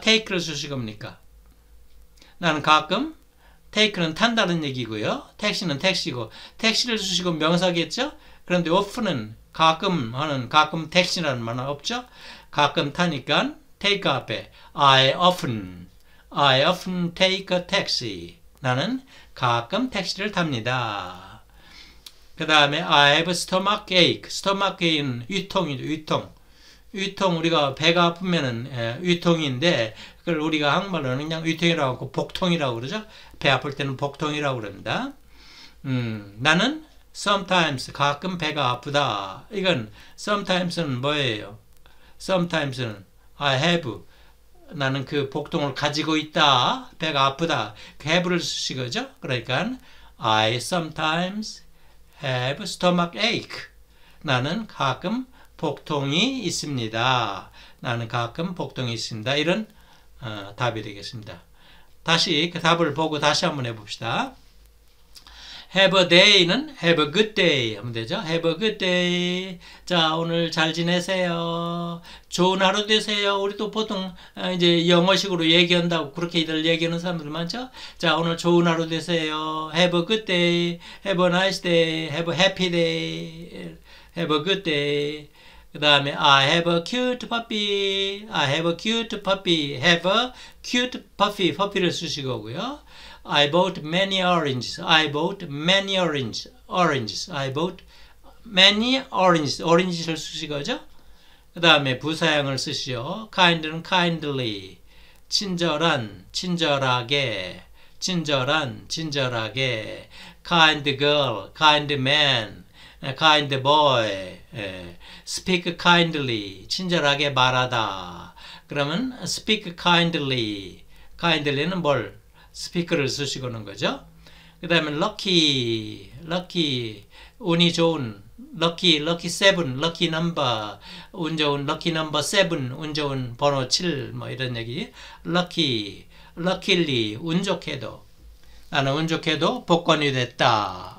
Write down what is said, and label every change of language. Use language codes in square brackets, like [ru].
[ko] take를 쓰시겁니까? 나는 가끔 take는 탄다는 얘기고요. 택시는 택시고 택시를 쓰시고 명사겠죠? 그런데 often은 가끔 하는 가끔 택시라는 말은 없죠? 가끔 타니까 take 앞에 [en] I often take a taxi. [ko] 나는 가끔 택시를 탑니다. 그 다음에 [en] I have a stomach ache. [ko] stomach ache는 위통이죠. 위통 우리가 배가 아프면은 위통인데 그걸 우리가 한국말로는 그냥 위통이라고 하고 복통이라고 그러죠. 배 아플 때는 복통이라고 그럽니다. 나는 sometimes 가끔 배가 아프다. 이건 sometimes는 뭐예요? Sometimes는 I have. 나는 그 복통을 가지고 있다. 배가 아프다. have를 쓰시거죠? 그러니까 [en] I sometimes have stomach ache. [ko] 나는 가끔 복통이 있습니다. 나는 가끔 복통이 있습니다. 이런 답이 되겠습니다. 다시 그 답을 보고 다시 한번 해봅시다. [en] Have a day는 have a good day [ko] 하면 되죠. [en] Have a good day. [ko] 자, 오늘 잘 지내세요. 좋은 하루 되세요. 우리도 보통 이제 영어식으로 얘기한다고 그렇게들 얘기하는 사람들 많죠. 자, 오늘 좋은 하루 되세요. [en] Have a good day. Have a nice day. Have a happy day. Have a good day. [ko] 그 다음에 [en] I have a cute puppy. I have a cute puppy. Have a cute puppy. [ko] 퍼피를 쓰실 거고요. [en] I bought many oranges. I bought many oranges. Oranges. I bought many oranges. [ko] Oranges를 쓰신 거죠? 그 다음에 부사형을 쓰시죠. Kind는 kindly. 친절한, 친절하게. 친절한, 친절하게. [en] Kind girl, kind man, kind boy. Speak kindly. [ko] 친절하게 말하다. 그러면 [en] speak kindly. [ko] Kindly는 뭘? 스피커를 쓰시고 하는 거죠. 그 다음에 럭키, 운이 좋은 럭키 세븐, 럭키 넘버, 운 좋은 럭키 넘버 세븐, 운 좋은 번호 7, 뭐 이런 얘기. 럭키, 럭킬리, 운 좋게도. 나는 운 좋게도 복권이 됐다.